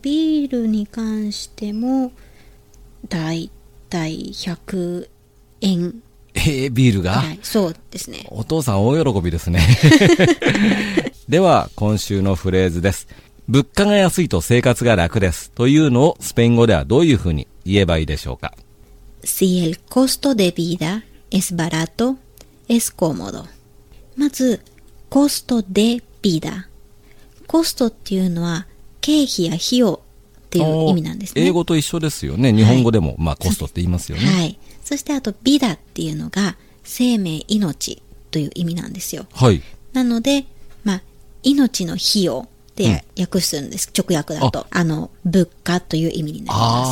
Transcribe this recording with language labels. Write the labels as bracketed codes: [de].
[ja] ビールに関しても、だいたい100円。ビールが？はい、そうですね。お父さん大喜びですね。では、今週のフレーズです。物価が安いと生活が楽ですというのをスペイン語ではどういうふうに言えばいいでしょうか？ [es] Si el costo de vida es barato, es cómodo。 [ja] まず、 [es] costo de vida。 [ja] costo っていうのは経費や費用っていう意味なんですね。英語と一緒ですよね。日本語でも、はい、まあ、costo って言いますよね。はい。そして、あと vida っていうのが生命、命という意味なんですよ。はい。なので、まあ、命の費用で訳するんです、うん、直訳だと物価という意味になります。